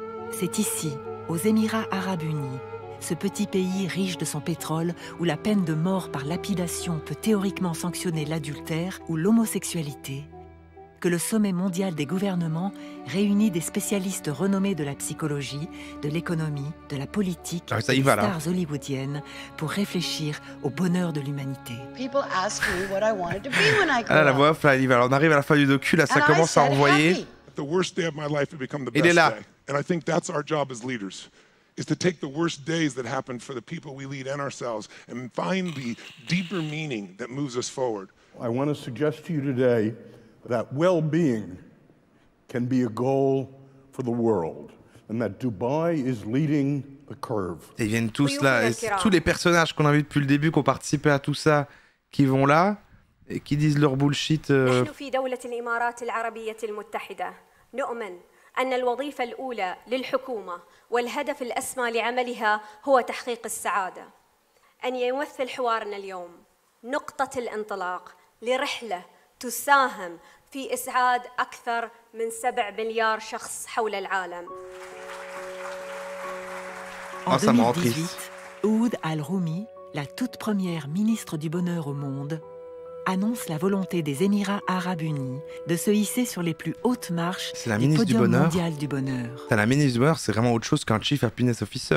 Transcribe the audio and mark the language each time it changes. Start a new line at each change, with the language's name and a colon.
French: C'est ici, aux Émirats Arabes Unis, ce petit pays riche de son pétrole, où la peine de mort par lapidation peut théoriquement sanctionner l'adultère ou l'homosexualité, que le sommet mondial des gouvernements réunit des spécialistes renommés de la psychologie, de l'économie, de la politique, ah, ça y va, là. Des stars hollywoodiennes, pour réfléchir au bonheur de l'humanité.
English: People ask me what I wanted to be when I grew up.
French: Ah, la voix off, là, elle y va. Alors, on arrive à la fin du docu, là, ça commence à envoyer.
English: The worst day of my life had become the best day. And I think that's our job as leaders, is to take the worst days that happen for the people we lead and ourselves and find the deeper meaning that moves us forward. I want to suggest to you today that well-being can be a goal for the world and that Dubai is leading the curve.
French: Ils viennent tous là, et tous les personnages qu'on a vus depuis le début, qui ont participé à tout ça, qui vont là et qui disent leur bullshit.
Arabic: نحن في دولة الإمارات العربية المتحدة نؤمن أن الوظيفة الأولى للحكومة والهدف الأسمى لعملها هو تحقيق السعادة. أن يمثل حوارنا اليوم نقطة الانطلاق لرحلة تساهم في إسعاد أكثر من 7 مليار شخص حول العالم.
French: En 2018, Oud Al-Roumi, la toute première ministre du bonheur au monde, annonce la volonté des Émirats Arabes Unis de se hisser sur les plus hautes marches du podium mondial du bonheur. C'est la ministre du bonheur. La ministre du bonheur, c'est vraiment autre chose qu'un chief happiness officer.